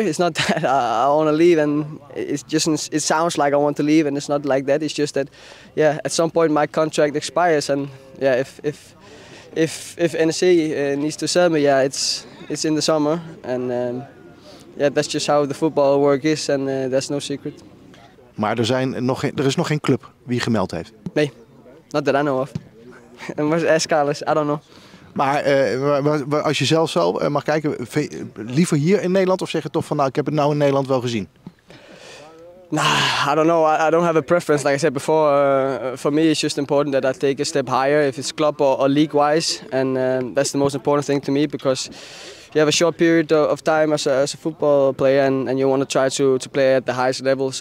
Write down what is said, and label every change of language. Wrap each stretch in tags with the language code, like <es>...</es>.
<en>It's not that I want to leave, and it sounds like I want to leave, and it's not like that. It's just that, yeah, at some point my contract expires, and yeah, if NEC needs to sell me, yeah, it's in the summer, and yeah, that's just how the football work is, and that's no secret.</en> <nl>Maar er is nog geen club wie gemeld heeft. Nee,</nl> <en>not that I know of. And was S. Carlos, I don't know.</en> <nl>Maar als je zelf zo mag kijken, liever hier in Nederland of zeg je toch van nou, ik heb het nou in Nederland wel gezien?</nl> <en>Nah, I don't know. I don't have a preference. Like I said before, for me it's just important that I take a step higher, if it's club or league-wise. And that's the most important thing to me, because you have a short period of time as a football player, and you want to try to play at the highest level.</en>